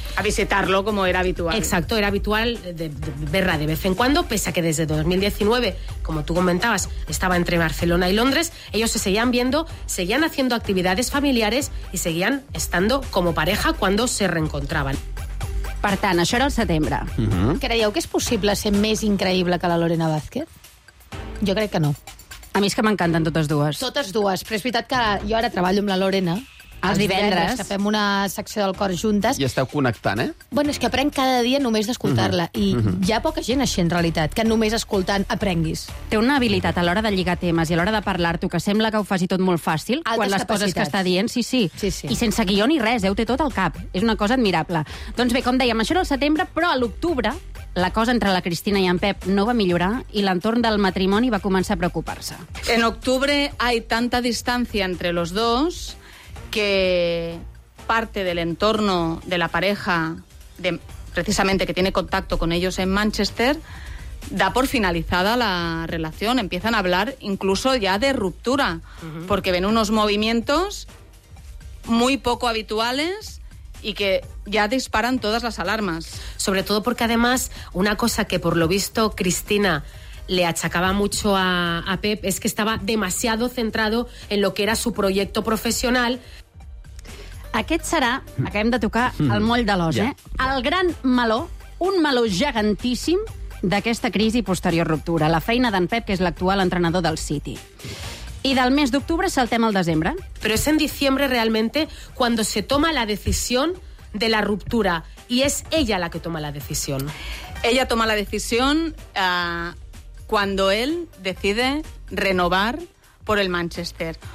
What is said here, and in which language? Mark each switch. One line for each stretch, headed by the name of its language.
Spanish: A visitarlo, como era habitual. Exacto, era habitual verla de vez en cuando, pese a que desde 2019, como tú comentabas, estaba entre Barcelona y Londres, ellos se seguían viendo, seguían haciendo actividades familiares y seguían estando como pareja cuando se reencontraban.
Catalan: Per tant, això era el setembre. Uh-huh. Creieu que és possible ser més increïble que la Lorena Vázquez? Jo crec que no. A mi és que m'encanten totes dues. Totes dues, però és veritat que jo ara treballo amb la Lorena. Els divendres. Que fem una secció del cor juntes. I esteu connectant, eh? Bueno, és que aprenc cada dia només d'escoltar-la. Uh-huh. I hi ha poca gent així, en realitat, que només escoltant aprenguis. Té una habilitat a l'hora de lligar temes i a l'hora de parlar-t'ho, que sembla que ho faci tot molt fàcil. Altres quan les capacitats. Coses que està dient, sí, sí. Sí, sí. I sense guió ni res, ho té tot al cap. És una cosa admirable. Doncs bé, com dèiem, això era el setembre, però a l'octubre la cosa entre la Cristina i en Pep no va millorar i l'entorn del matrimoni va començar a preocupar-se.
Spanish: En octubre hay tanta distancia entre los dos que parte del entorno de la pareja, de precisamente que tiene contacto con ellos en Manchester, da por finalizada la relación. Empiezan a hablar incluso ya de ruptura, porque ven unos movimientos muy poco habituales y que ya disparan todas las alarmas. Sobre todo porque además una cosa que por lo visto Cristina le achacaba mucho a Pep es que estaba demasiado centrado en lo que era su proyecto profesional.
Catalan: Aquest serà, acabem de tocar el moll de l'os, el gran meló, un meló gegantíssim d'aquesta crisi posterior ruptura, la feina d'en Pep, que és l'actual entrenador del City.
Spanish: Y del mes de octubre
Catalan: saltem al desembre.
Spanish: Pero es en diciembre realmente cuando se toma la decisión de la ruptura y es ella la que toma la decisión. Ella toma la decisión cuando él decide renovar por el Manchester.